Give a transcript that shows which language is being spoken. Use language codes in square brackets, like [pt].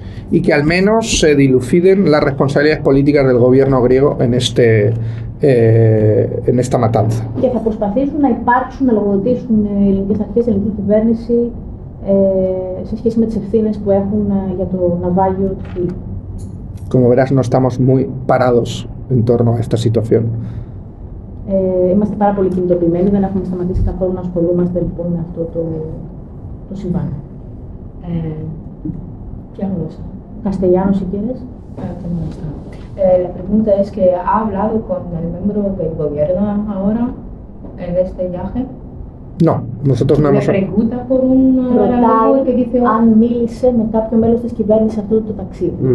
[es] Y que al menos se dilucidan las responsabilidades políticas del gobierno griego en este en esta matanza. Y [el] θα προσπαθήσουν να υπάρξουν, να λογοδοτήσουν οι ελληνικές αρχές, η ελληνική κυβέρνηση σε σχέση με τις ευθύνες που έχουν για το ναυάγιο του. [es] Como verás, no estamos muy parados en torno a esta situación. [el] Είμαστε πάρα πολύ κινητοποιημένοι, δεν έχουμε σταματήσει καθόλου να ασχολούμαστε λοιπόν με αυτό το συμβάν. [es] Castellanos, si quieres. La pregunta es que ha hablado con el miembro del gobierno ahora en este viaje. No, nosotros no hemos. Me pregunta por un aeropuerto que dice. [el] Αν μίλησε με κάποιο μέλος της κυβέρνησης αυτού του ταξίδι.